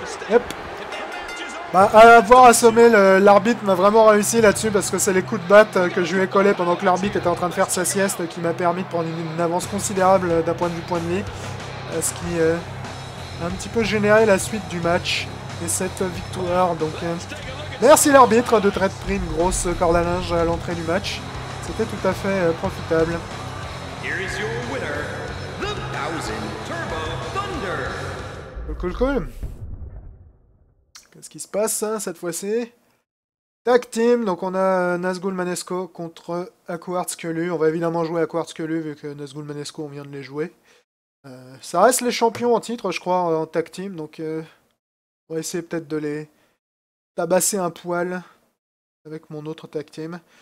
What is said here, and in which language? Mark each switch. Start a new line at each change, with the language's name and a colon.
French: Yep. Bah, avoir assommé l'arbitre m'a vraiment réussi là-dessus parce que c'est les coups de batte que je lui ai collé pendant que l'arbitre était en train de faire sa sieste qui m'a permis de prendre une avance considérable d'un point de vue point de vie. Ce qui a un petit peu généré la suite du match et cette victoire. Donc, merci l'arbitre de t'être pris une grosse corde à linge à l'entrée du match. C'était tout à fait profitable.
English: Here is your winner, the Thousand Turbo Thunder. Cool.
French: Qu'est-ce qui se passe hein, cette fois-ci? Tag team, donc on a Nazgul Manesco contre Aquarts Kelly. On va évidemment jouer Aquarts Kelly vu que Nazgul Manesco, on vient de les jouer. Ça reste les champions en titre, je crois, en tag team. Donc on va essayer peut-être de les tabasser un poil avec mon autre tag team.